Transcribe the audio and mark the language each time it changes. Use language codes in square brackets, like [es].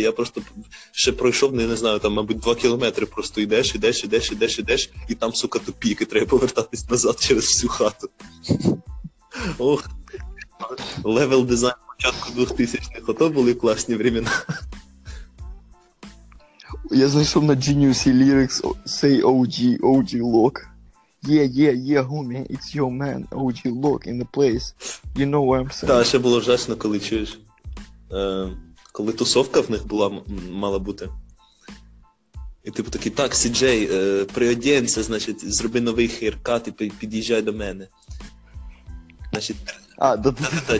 [uk] Я просто ще пройшов, не знаю, там, мабуть, 2 кілометри. Просто йдеш, ідеш, ідеш, ідеш, ідеш, і там, сука, тупік, і треба повертатись назад через всю хату. Ох. Левел дизайн початку 2000-х, ото були класні времена. Я знайшов на Genius Lyrics Say OG, OG Lock. [en] Yeah, yeah, yeah, homie, it's your man, OG Lock in the place. You know what I'm saying? [uk] Так, ще було жасно, коли чуєш. Коли тусовка в них була, мала бути. І типу такий, так, CJ, приоденься, значить, зроби новий хейркат і під'їжджай до мене. Значить, Да,